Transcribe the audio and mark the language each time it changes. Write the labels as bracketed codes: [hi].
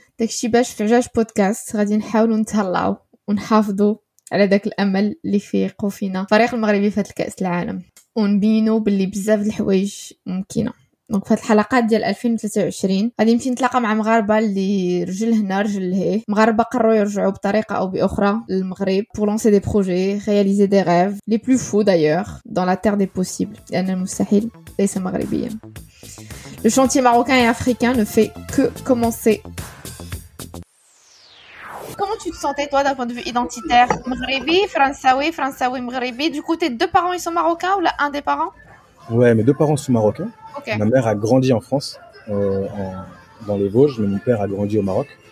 [ar] داكشي باش في جاج بودكاست غادي نحاولوا نتهلاو ونحافظوا على داك الامل اللي فيقوا فينا الفريق المغربي في هذا الكاس العالم ونبينوا باللي بزاف الحوايج ممكنه. دونك في هذه الحلقات ديال 2023 غادي نمشي نتلاقى مع مغاربه اللي رجل هنا رجل لهي. مغاربه قرروا يرجعوا بطريقه او باخرى للمغرب [fr] pour lancer des projets, réaliser des rêves les plus fous d'ailleurs dans la terre des possibles. [ar] لان المستحيل ليس مغربيا. [fr] Le chantier marocain et africain ne fait que commencer. Comment tu te sentais, toi, d'un point de vue identitaire ? Maghrébi, Françaoui, Françaoui, Maghrébi. Du coup, tes deux parents, ils sont marocains ou un des parents ? Ouais, mes deux parents sont marocains. Okay. Ma mère a grandi en France, dans les Vosges, mais mon père a grandi au Maroc.